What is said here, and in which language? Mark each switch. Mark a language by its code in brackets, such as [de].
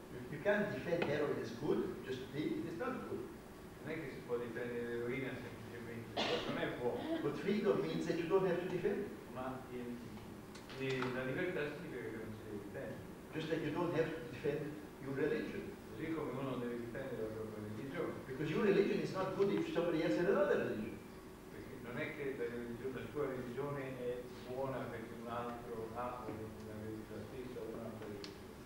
[en] You can't defend heroin as good, just think it's not good. [it] Non è che si può difendere l'eroina semplicemente, non è buono. [en] But freedom means that you don't have to defend. [it] Ma la libertà significa che non si deve difendere. [en] Just like you don't have to defend your religion. [it] Così come uno deve difendere la propria religione. [en] Because your religion is not good if somebody else has another religion. [it] Perché non è che la sua religione è buona perché un altro ha una religione stessa o un'altra religione.